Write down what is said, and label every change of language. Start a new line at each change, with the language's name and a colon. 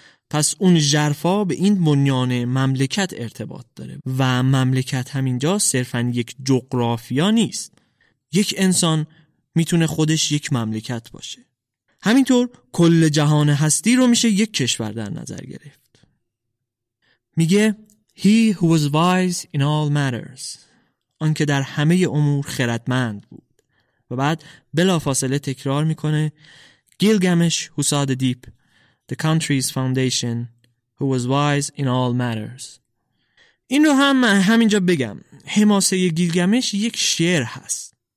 Persian: پس اون ژرفا به این بنیان مملکت ارتباط داره و مملکت همینجا صرفاً یک جغرافیا نیست. یک انسان میتونه خودش یک مملکت باشه. همینطور کل جهان هستی رو میشه یک کشور در نظر گرفت. میگه
English: He who was wise in all matters.
Persian: آن که در همه امور خردمند بود. و بعد بلافاصله تکرار میکنه
English: Gilgamesh who saw the deep, the country's foundation, who was wise in all matters.
Persian: این رو هم همینجا بگم. حماسه گیلگمش یک شعر هست.